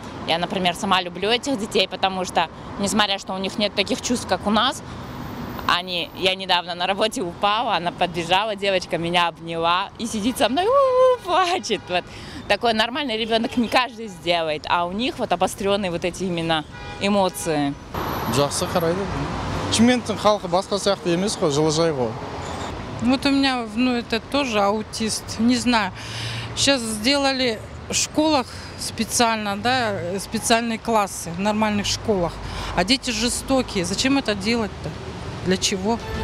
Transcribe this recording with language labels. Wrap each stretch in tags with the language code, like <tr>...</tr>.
<ru>Я, например, сама люблю этих детей, потому что, несмотря, что у них нет таких чувств, как у нас, я недавно на работе упала, она подбежала, девочка меня обняла и сидит со мной, плачет. Вот. Такой нормальный ребенок не каждый сделает, а у них вот обостренные вот эти именно эмоции.</ru> <kk>Жақсы қарайды. Чиментің халқы басқа сияқты емес қой, жылыжай қой.</kk> <ru>Вот у меня, ну это тоже аутист, не знаю, сейчас сделали в школах специально, да, специальные классы в нормальных школах, а дети жестокие, зачем это делать-то? Для чего?</ru>